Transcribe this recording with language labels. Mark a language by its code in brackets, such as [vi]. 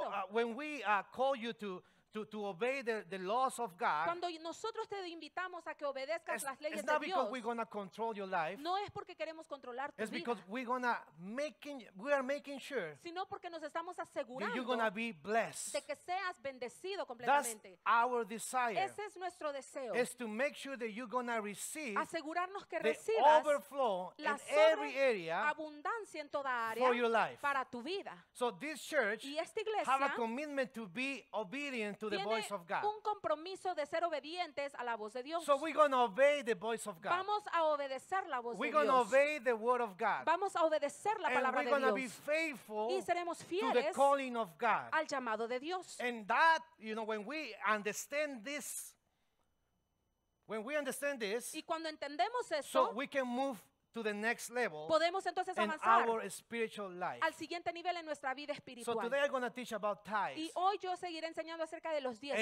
[en] So when we call you to obey the laws of God, [es] cuando nosotros te invitamos a que obedezcas las leyes de Dios, [en] it's not because we're gonna control your life, [es] no es porque queremos controlar tu vida, [en] it's because [es] vida, [en] we are making sure, [es] sino porque nos estamos asegurando [en] that you're gonna be blessed, [es] de que seas bendecido completamente. [en] That's our desire. [es] Ese es nuestro deseo. [en] Is to make sure that you're gonna receive, [es] asegurarnos que recibas [en] the overflow [es] la [en] in every area, [es] abundancia en toda área [en] for your life, [es] para tu vida. [en] So this church [es] y esta iglesia [en] have a commitment to be obedient to the voice of God. [es] Un compromiso de ser obedientes a la voz de Dios. [en] So we're going to obey the voice of God. [es] Vamos a obedecer la voz [en] we're [es] de Dios. [en] We're going to obey the word of God. [es] Vamos a obedecer la [en] and [es] palabra [en] we're [es] de [en] gonna [es] Dios. [en] Be faithful [es] y seremos fieles [en] to the calling of God. [es] Al llamado de Dios. [en] And that, you know, when we understand this, when we understand this, [es] y cuando entendemos esto, [en] so we can move to the next level [es] podemos entonces [en] in [es] avanzar [en] our spiritual life. [es] Al siguiente nivel en nuestra vida espiritual. [en] So today I'm going to teach about tithes. [es] Y hoy yo seguiré enseñando acerca de los diezmos.